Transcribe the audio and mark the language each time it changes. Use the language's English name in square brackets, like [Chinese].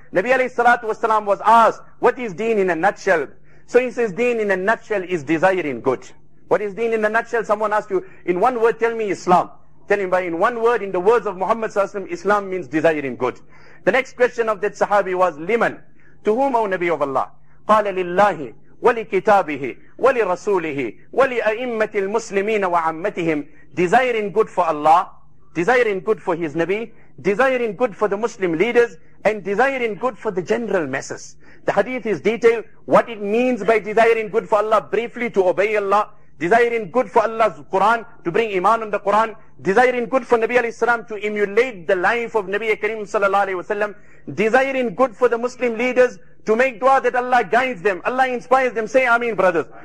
[English] Nabi alayhi salatu wa sallam was asked, what is deen in a nutshell? So he says, deen in a nutshell is desiring good. What is deen in a nutshell? Someone asked you, in one word, tell me Islam. Tell him, in one word, in the words of Muhammad Sallallahu Alaihi Wasallam, Islam means desiring good. The next question of that Sahabi was, Liman, to whom, O Nabi of Allah? [Arabic] قال لله ولكتابه ولرسوله ولأئمة المسلمين وعمتهم. [English] Desiring good for Allah, desiring good for His Nabi, desiring good for the Muslim leaders, and desiring good for the general masses. The hadith is detailed. What it means by desiring good for Allah, briefly, to obey Allah, desiring good for Allah's Quran, to bring iman on the Quran, desiring good for Nabi alayhi salam, to emulate the life of Nabi Kareem sallallahu alayhi wa sallam, desiring good for the Muslim leaders, to make dua that Allah guides them, Allah inspires them. Say ameen, brothers.